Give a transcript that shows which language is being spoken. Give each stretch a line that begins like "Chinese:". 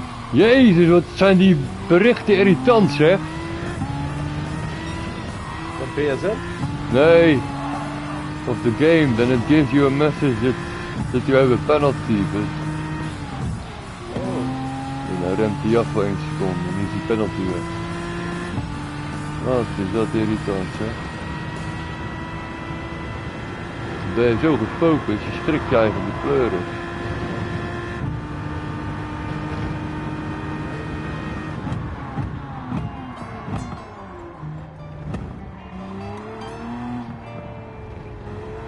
Dutch: Jezus, wat zijn die berichten irritant, zeg. Van PSN? Nee.
English: Of the game, then it gives you a message that you have a penalty. But... Oh.
Dutch: En dan remt hij af voor 1 seconde en is die penalty weg. Wat is dat irritant, zeg. Dan ben je zo gefocust, je schrikt je eigen de kleuren.
English: Thank you.